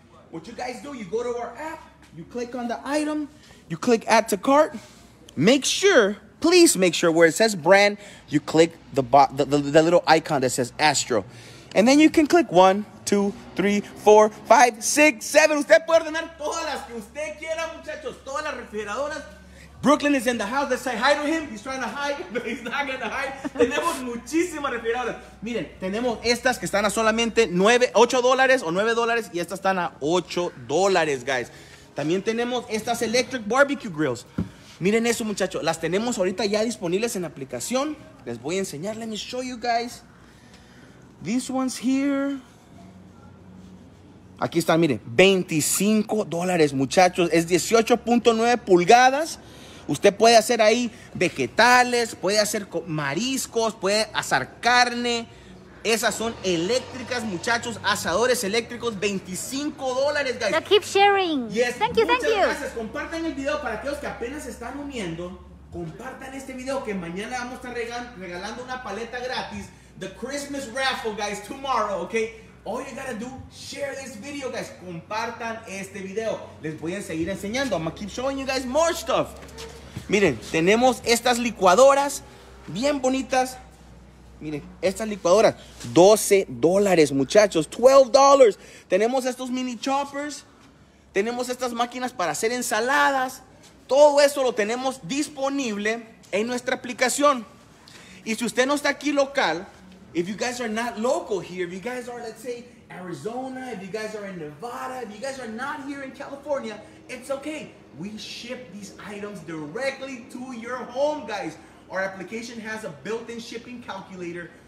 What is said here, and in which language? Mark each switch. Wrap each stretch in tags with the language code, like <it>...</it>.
<en>What you guys do, you go to our app. You click on the item. You click add to cart. Make sure, please make sure where it says brand, you click the little icon that says Astro. And then you can click 1, 2, 3, 4, 5, 6, 7.</en> <es>Usted puede ordenar todas las que usted quiera, muchachos. Todas las refrigeradoras.</es> <en>Brooklyn is in the house. Let's say hi to him. He's trying to hide, but he's not going to hide.</en> <es>Tenemos muchísimas refrigeradoras. Miren, tenemos estas que están a solamente $8 o $9. Y estas están a $8, guys. También tenemos estas</es> <en>electric barbecue grills.</en> <es>Miren eso, muchachos. Las tenemos ahorita ya disponibles en aplicación. Les voy a enseñar.</es> <en>Let me show you guys. This one's here.</en> <es>Aquí están, miren. $25, muchachos. Es 18.9 pulgadas. Usted puede hacer ahí vegetales, puede hacer mariscos, puede asar carne. Esas son eléctricas, muchachos. Asadores eléctricos, $25, guys.</es> <en>So keep sharing. Yes. Thank you, thank you.</en> <es>Muchas gracias. Compartan el video para aquellos que apenas se están uniendo. Compartan este video que mañana vamos a estar regalando una paleta gratis.</es> <en>The Christmas raffle, guys, tomorrow, okay? All you gotta do, share this video, guys.</en> <es>Compartan este video. Les voy a seguir enseñando.</es> <en>I'm gonna keep showing you guys more stuff.</en> <es>Miren, tenemos estas licuadoras bien bonitas. Miren, estas licuadoras, $12, muchachos, $12. Tenemos estos mini choppers. Tenemos estas máquinas para hacer ensaladas. Todo eso lo tenemos disponible en nuestra aplicación. Y si usted no está aquí local,</es> <en>if you guys are not local here, if you guys are, let's say, Arizona, if you guys are in Nevada, if you guys are not here in California, it's okay. We ship these items directly to your home, guys. Our application has a built-in shipping calculator.</en>